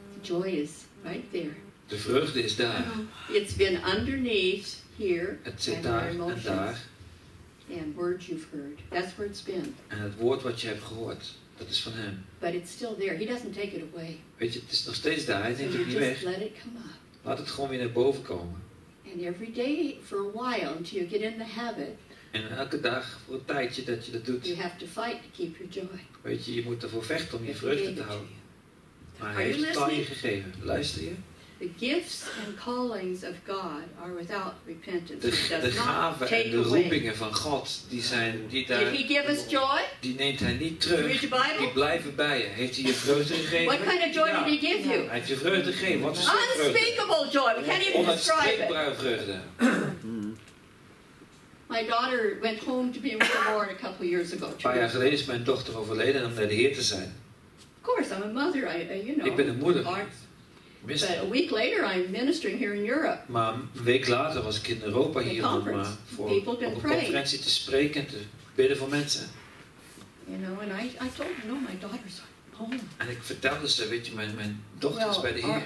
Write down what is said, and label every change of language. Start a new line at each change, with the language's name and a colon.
English: The joy is right there.
Dutch: De vreugde is daar.
English: It's been underneath here.
Dutch: Het zit daar en daar.
English: And words you've heard. That's where it's been.
Dutch: En het woord wat je hebt gehoord, dat is van hem.
English: But it's still there. He doesn't take it away.
Dutch: Weet je, het is nog steeds daar. Hij neemt het niet weg.
English: Let it come up.
Dutch: Laat het gewoon weer naar boven komen.
English: And every day for a while until you get in the habit.
Dutch: En elke dag voor een tijdje dat je dat doet.
English: You have to fight to keep your joy.
Dutch: Weet je, je moet ervoor vechten om je vreugde te houden. Maar hij heeft het aan je gegeven. Luister je?
English: The gifts and callings of God are without repentance.
Dutch: De gaven en de roepingen van God, die zijn die daar.
English: Did he give us joy?
Dutch: Die neemt hij niet terug.
English: Read your Bible?
Dutch: Die blijven bij je. Heeft hij je vreugde gegeven?
English: What kind of joy did he give you?
Dutch: Hij heeft je vreugde gegeven. Wat is
English: unspeakable joy. We can't even describe it.
Dutch: Onuitspreekbare vreugde.
English: My daughter went home to be with the Lord a couple years ago.
Dutch: Een paar jaar geleden is mijn dochter overleden om bij de Heer te zijn.
English: Of course, I'm a mother.
Dutch: Ik ben een moeder.
English: But a week later, I'm ministering here in Europe.
Dutch: Maar een week later was ik in Europa hier om voor een conferentie te spreken en te bidden voor mensen.
English: You know, and I told her, no, my daughter's home.
Dutch: En ik vertelde ze, weet je, mijn dochter is bij de Heer.